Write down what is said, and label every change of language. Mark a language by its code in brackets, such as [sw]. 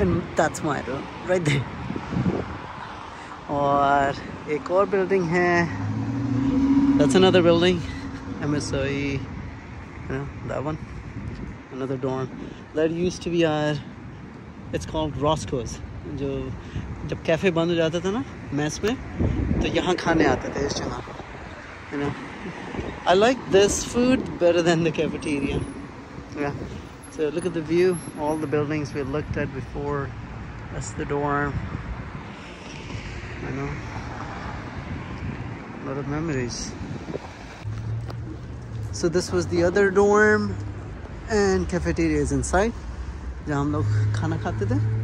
[en] And that's my room right there. [hi] और एक और बिल्डिंग है. [en] That's another building. MSOE. Yeah, that one. Another dorm that used to be our, it's called Roscoe's. [hi] जो जब cafe बंद हो जाता था ना मैस में, तो यहाँ खाने आते थे इस जगह. [en] You know, I like this food better than the cafeteria. Yeah. So look at the view, all the buildings we looked at before. That's the dorm. You know, a lot of memories. So this was the other dorm. And cafeteria is inside, [hi] जहाँ हम लोग खाना खाते थे.